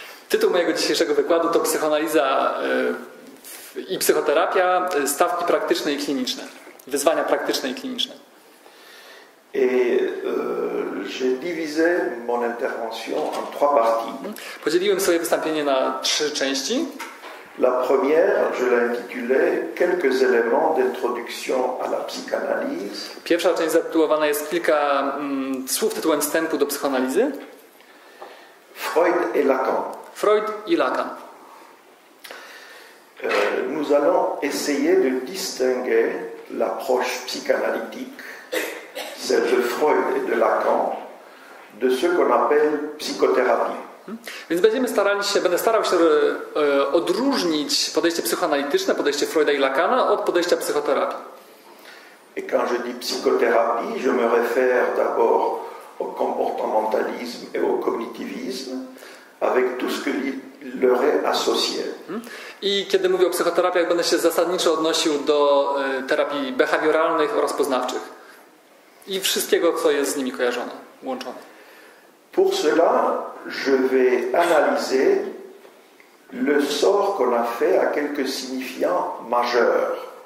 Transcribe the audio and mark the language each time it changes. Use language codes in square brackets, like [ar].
[pl] Tytuł mojego dzisiejszego wykładu to psychoanaliza i psychoterapia, stawki praktyczne i kliniczne, wyzwania praktyczne i kliniczne. [fr] Et j'ai divisé mon intervention en trois parties. [pl] Podzieliłem swoje wystąpienie na trzy części. [fr] La première, je l'ai intitulée « Quelques éléments d'introduction à la psychanalyse ». [pl] Pierwsza część zatytułowana jest kilka słów tytułem wstępu do psychoanalizy. [fr] Freud et Lacan. [pl] Freud i Lacan. [fr] Nous allons essayer de distinguer l'approche psychanalytique, celle de Freud et de Lacan, de ce qu'on appelle psychothérapie. [pl] Więc będę starał się odróżnić podejście psychoanalityczne, podejście Freuda i Lacana od podejścia psychoterapii. [fr] Et quand je dis psychothérapie, je me réfère d'abord au comportementalisme et au cognitivisme avec tout ce que leur est associé. [pl] I kiedy mówię o psychoterapiach, będę się zasadniczo odnosił do terapii behawioralnych oraz poznawczych i wszystkiego, co jest z nimi kojarzone, łączone. [fr] Pour cela, je vais analyser le sort qu'on a fait à quelques signifiants majeurs.